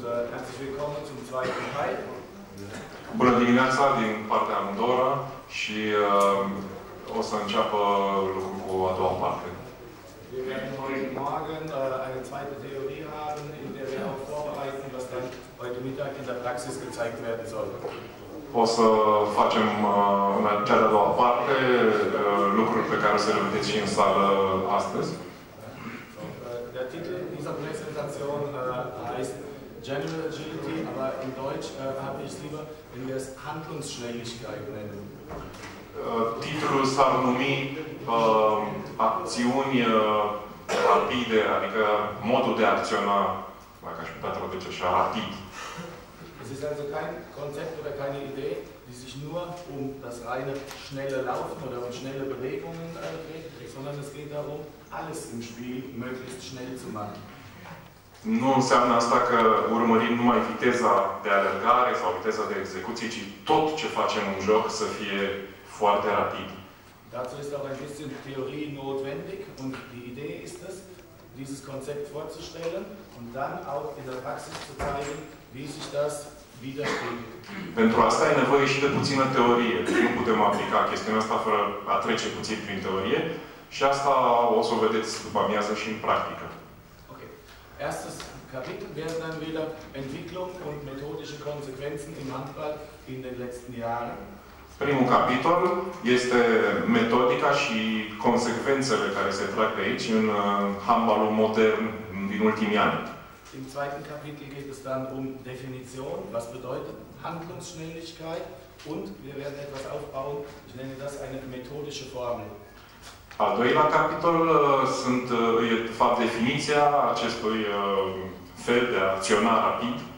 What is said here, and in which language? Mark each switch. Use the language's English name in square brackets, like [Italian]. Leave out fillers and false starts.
[German] Herzlich willkommen zum zweiten Teil. [Romanian] Bună dimineața din partea Andorra și o să înceapă lucrul cu a doua parte. [German] Wir werden heute Morgen eine zweite Theorie haben, in der wir auch vorbereiten, was dann heute Mittag in der Praxis gezeigt werden soll. [Romanian] O să facem în cea de-a doua parte lucruri pe care o să le vedeți și în sală astăzi. [German] Der Titel dieser Präsentation heißt General Agility, aber in Deutsch habe ich lieber, wenn wir es Handlungsschnelligkeit nennen. [Romanian] Titlul s-ar numi acțiuni rapide, adică modul de a acționa, dacă aș putea traduce așa, rapid. [German] Es ist also kein Konzept oder keine Idee, die sich nur um das reine schnelle Laufen oder um schnelle Bewegungen dreht, sondern es geht darum, alles im Spiel möglichst schnell zu machen. [Romanian] Nu înseamnă asta că urmărim numai viteza de alergare sau viteza de execuție, ci tot ce facem în joc să fie foarte rapid. [German] Dazu ist auch ein bisschen Theorie notwendig und die Idee ist es, dieses Konzept vorzustellen und dann auch in der Praxis zu zeigen, wie sich das widerspiegelt. [Romanian] Pentru asta e nevoie și de puțină teorie. Nu putem aplica chestiunea asta fără a trece puțin prin teorie și asta o să o vedeți după amiază și în practică. [German] Erstes Kapitel werden dann wieder Entwicklung und methodische Konsequenzen im Handball in den letzten Jahren. [Romanian] Primul capitol este metodica și consecvențele care se trag de aici în handballul modern din ultimii ani. [German] Im zweiten Kapitel geht es dann um Definition, was bedeutet Handlungsschnelligkeit und wir werden etwas aufbauen, ich nenne das eine methodische Formel. [Romanian] Al doilea capitol sunt, e, de fapt, definiția acestui fel de a acționa rapid.